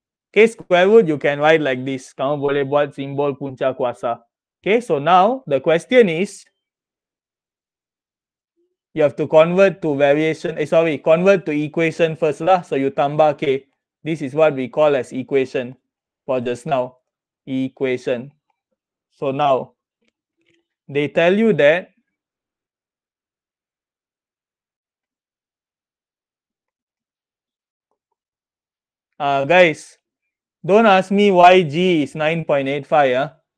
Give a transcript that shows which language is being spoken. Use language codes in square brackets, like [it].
[en] Okay, square root, you can write like this. [ms] Kamu boleh buat simbol punca kuasa. [en] Okay, so now the question is, you have to convert to variation. Convert to equation first lah. So you tambah k. This is what we call as equation for just now. Equation. So now, they tell you that guys, don't ask me why g is 9.85.